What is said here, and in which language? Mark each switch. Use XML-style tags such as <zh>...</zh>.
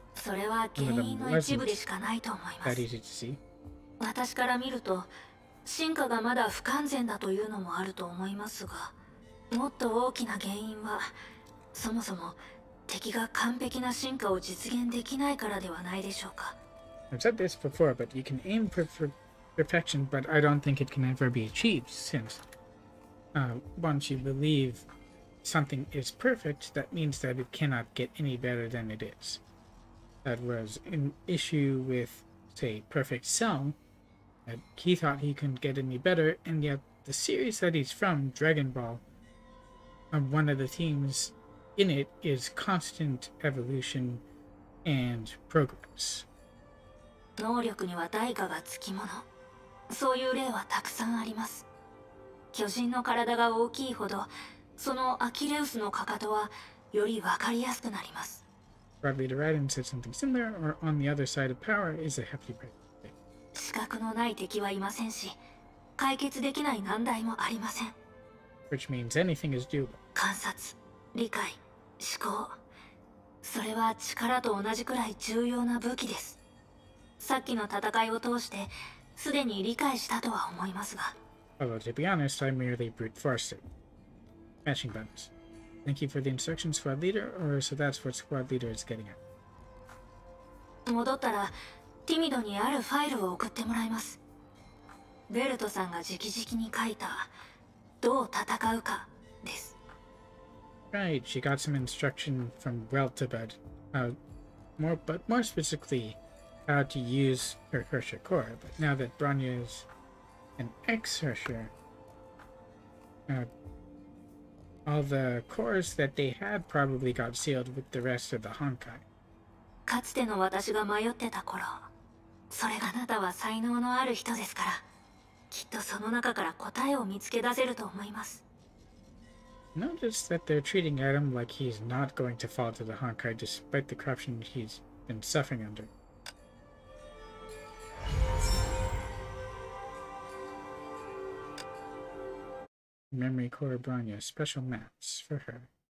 <ja>それは原因の一部でしかないと思います。</ja> <en>That easy to see.</en> <ja>私から見ると、進化がまだ不完全だというのもあると思いますが、もっと大きな原因は、そもそも敵が完璧な進化を実現できないからではないでしょうか。</ja> <en>I've said this before, but you can aim for perfection, but I don't think it can ever be achieved, since once you believe something is perfect, that means that it cannot get any better than it is. That was an issue with, say, Perfect Cell. That he thought he couldn't get any better, and yet the series that he's from, Dragon Ball, one of the themes in it is constant evolution and progress.</en> <ja>能力には代価がつきもの。そういう例はたくさんあります。巨人の体が大きいほど、そのアキレウスのかかとはよりわかりやすくなります。</ja> <en>Bradley Duradin said something similar, or on the other side of power is a hefty price.</en> <ja>資格のない敵はいませんし、解決できない難題もありません。</ja> <en>Which means anything is doable.</en> <ja>観察、理解、思考、それは力と同じくらい重要な武器です。さっきの戦いを通して、すでに理解したとは思いますが。</ja> <en>Although to be honest, I merely brute forced it. Matching buttons. Thank you for the instructions, squad leader, or so that's what squad leader is getting at.</en> <ja>戻ったら、ティミドにあるファイルを送ってもらいます。ベルトさんが直々に書いた、どう戦うかです。</ja> <en>Right, she got some instruction from Welt about more specifically how to use her Hersher core. But now that Branya is an ex-Hersher, all the cores that they had probably got sealed with the rest of the Honkai.</en> <ja>かつての私が迷ってた頃、それがあなたは才能のある人ですから、きっとその中から答えを見つけ出せると思います。</ja> <en>Notice that they're treating Adam like he's not going to fall to the Honkai despite the corruption he's been suffering under. Memory Core Branya, special mats for her.</en>